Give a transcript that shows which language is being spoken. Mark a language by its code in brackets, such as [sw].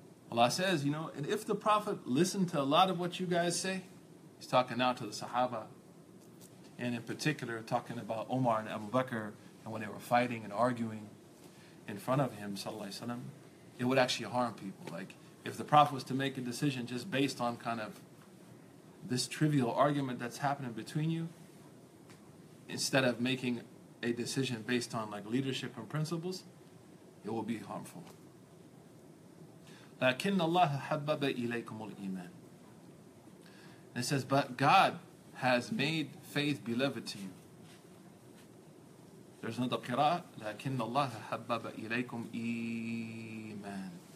[en] Allah says, you know, and if the Prophet listened to a lot of what you guys say, he's talking now to the Sahaba, and in particular, talking about Omar and Abu Bakr, and when they were fighting and arguing in front of him, sallallahu alayhi wa sallam, it would actually harm people. Like, if the Prophet was to make a decision just based on kind of this trivial argument that's happening between you, instead of making a decision based on, like, leadership and principles, it will be harmful. [ar] لكن الله حبب إليكم الإيمان. [en] And it says, but God has made faith beloved to you. There's another qira'ah. [ar] لكن الله حبب إليكم إيمان.